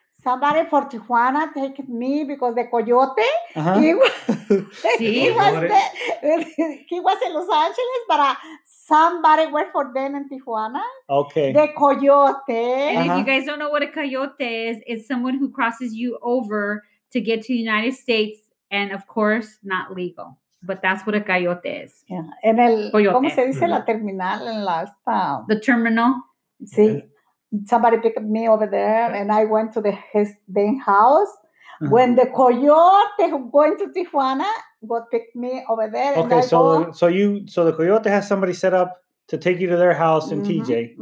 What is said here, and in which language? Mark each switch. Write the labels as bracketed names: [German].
[English] Somebody for Tijuana take me because the coyote. He was in Los Angeles, but. Somebody worked for them in Tijuana. Okay. The coyote. And if you guys don't know what a coyote is, it's someone who crosses you over to get to the United States. And, of course, not legal. But that's what a coyote is. [Spanish] Yeah. En el, coyote. ¿Cómo se dice la terminal en la town? [English] The terminal. See, somebody picked me over there, and I went to his house. Uh-huh. When the coyote went to Tijuana, God picked me over there. Okay, and so the coyote has somebody set up to take you to their house in TJ